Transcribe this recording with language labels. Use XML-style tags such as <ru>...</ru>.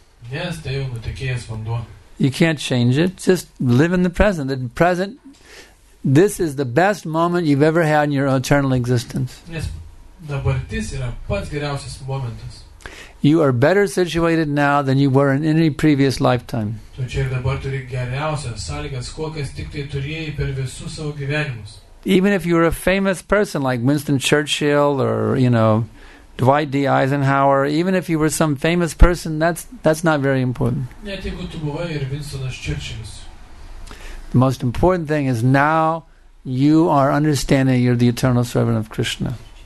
<lt>Yes, tai jau nutekėjęs vanduo.</lt> <en>You can't change it. Just live in the present. The present, this is the best moment you've ever had in your eternal existence.</en> <lt>Yes, dabartis yra pats geriausias momentas.</lt> <en>You are better situated now than you were in any previous lifetime.</en> <lt>Tu čia ir dabar turi geriausias sąlygas, kokias tik tai turėjai per visus savo gyvenimus.</lt> <en>Even if you're a famous person like Winston Churchill or, you know, Dwight D. Eisenhower, even if you were some famous person, that's not very important. The most important thing is now you are understanding you're the eternal servant of Krishna.</en>